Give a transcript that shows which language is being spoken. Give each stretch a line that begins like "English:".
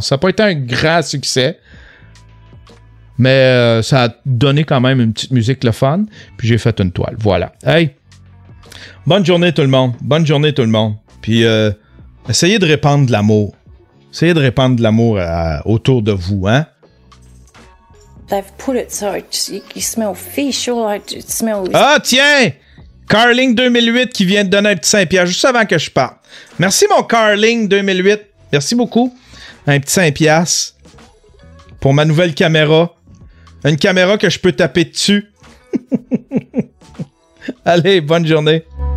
French: Ça n'a pas été un grand succès. Mais ça a donné quand même une petite musique le fun. Puis j'ai fait une toile. Voilà. Hey! Bonne journée tout le monde. Bonne journée tout le monde. Puis essayez de répandre de l'amour. Essayez de répandre de l'amour autour de vous, hein?
English: They've put it so you smell fish or you smell...
French: Ah tiens! Carling 2008 qui vient de donner un petit 5$ juste avant que je parte. Merci mon Carling 2008. Merci beaucoup. Un petit 5$ pour ma nouvelle caméra. Une caméra que je peux taper dessus. Allez, bonne journée.